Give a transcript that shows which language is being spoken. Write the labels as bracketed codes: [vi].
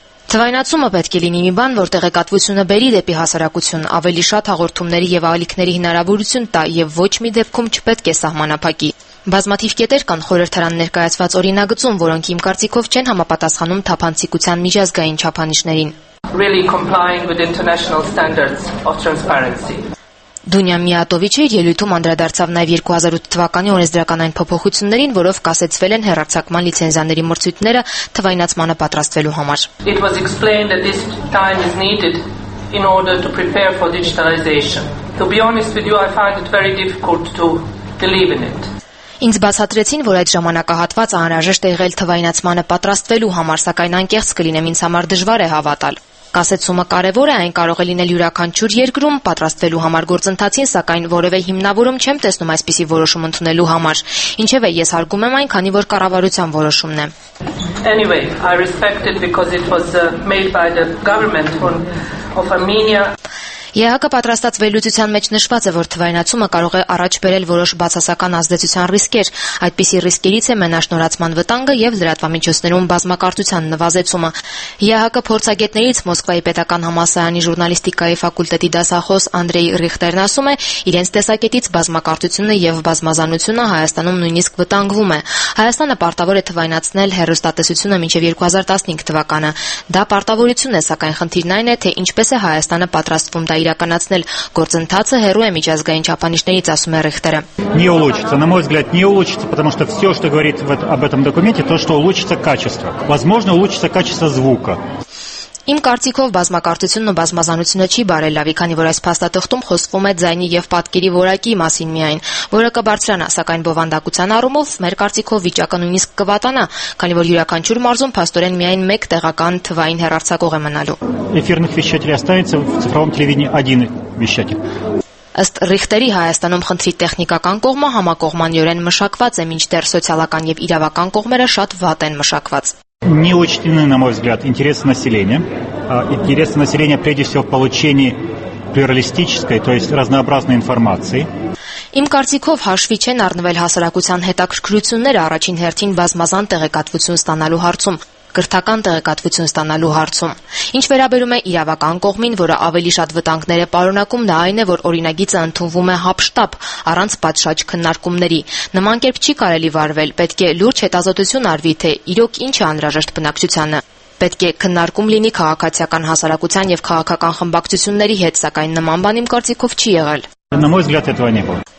[hy] Թվայնացումը պետք է լինի մի բան, որ տեղեկատվությունը բերի դեպի հասարակություն, ավելի շատ հաղորդումների և ալիքների հնարավորություն տա և ոչ մի դեպքում չպետք է սահմանափակի։ Բազմաթիվ կետեր կան խորհրդարան ներկայացված օրինագծում, որոնք իմ կարծիքով չեն համապատասխանում թափանցիկության միջազգային չափանիշներին։ [en] Really complying with international standards of transparency. [hy] Դունյա Միատովիչը իր ելույթում անդրադարձավ նաև 2008 թվականի օրենսդրական այն փոփոխություններին, որով կասեցվել են հեռարձակման լիցենզաների մրցույթները թվայնացմանը պատրաստվելու համար. [en] It was explained that this time is needed in order to prepare for digitalization. To be honest with you, I find it very difficult to believe in it. [hy] Ինձ բացատրեցին, որ այդ ժամանակահատված անհրաժեշտ է եղել թվայնացմանը պատրաստվելու համար, սակայն անկեղծ կլինեմ, ինձ համար դժվար է հավատալ։ Կասեցումը կարևոր է, այն կարող է լինել յուրաքանչյուր երկրում պատրաստվելու համար գործընթացին, սակայն որևէ հիմնավորում չեմ տեսնում այսպիսի որոշում ընդունելու համար։ Ինչևէ, ես հարգում եմ այն, քանի որ կառավարության որոշումն է։ [en] Anyway, I respect it because it was made by the government of Armenia. [hy] ԵՀԿ պատրաստած վերլուծության մեջ նշված է, որ թվայնացումը կարող է առաջ բերել որոշ բացասական ազդեցության ռիսկեր, այդպիսի ռիսկերից է մենաշնորացման վտանգը եւ լրատվամիջոցներում բազմակարծության նվազեցումը։ ԵՀԿ փորձագետներից Մոսկվայի պետական համալսարանի ժուռնալիստիկայի ֆակուլտետի դասախոս Անդրեյ Ռիխտերն ասում է, իրենց տեսակետից բազմակարծությունը եւ բազմազանությունը Հայաստանում նույնիսկ վտանգվում է։ Հայաստանը պարտավոր է թվայնացնել հեռուստատեսությունը մինչեւ 2015 թվականը։ Դա պարտավորություն է, սակայն խնդիրն այն է, թե ինչպես է Հայաստանը պատրաստվում դա իրականացնել։ Գործընթացը հեռու է միջազգային չափանիշներից, ասում է Ռիխտերը։ [ru] Не улучшится, на мой взгляд, не улучшится, потому что все, что говорит вот об этом документе, то, что улучшится качество. Возможно, улучшится качество звука. [hy] Իմ կարծիքով բազմակարծությունն ու բազմազանությունը չի բարելավի, քանի որ այս փաստաթղթում խոսվում է ձայնի եւ պատկերի որակի մասին միայն, որը կբարձրանա, սակայն բովանդակության առումով մեր կարծիքով վիճակը նույնիսկ կվատանա, քանի որ յուրաքանչյուր մարզում փաստորեն միայն 1 տեղական թվային հեռարձակող է մնալու։ [ru] Эфирных вещателей останется в цифровом телевидении один вещатель. [hy] Ըստ Ռիխտերի, Հայաստանում խնդրի տեխնիկական կողմը համակողմանիորեն մշակված է, մինչդեռ սոցիալական եւ իրավական կողմերը շատ վատ են մշակված։ [ru] Не учтены, на мой взгляд, интересы населения. Интересы населения, прежде всего, в получении плюралистической, то есть разнообразной информации. [hy] Իմ կարծիքով հաշվի չեն առնվել հասարակության հետաքրքրությունները առաջին հերթին բազմազան տեղեկատվություն ստանալու հարցում, կրթական տեղեկատվություն ստանալու հարցում։ Ինչ վերաբերում է իրավական կողմին, որը ավելի շատ վտանգներ է պարունակում, նա այն է, որ օրինագիծը ընդունվում է հապշտապ, առանց պատշաճ քննարկումների։ Նմանկերպ չի կարելի վարվել, պետք է լուրջ հետազոտություն արվի, թե իրոք ինչ է անհրաժեշտ բնակչությանը։ Պետք է քննարկում լինի քաղաքացիական հասարակության եւ քաղաքական խմբակցությունների հետ, սակայն նման բան իմ կարծիքով չի եղել։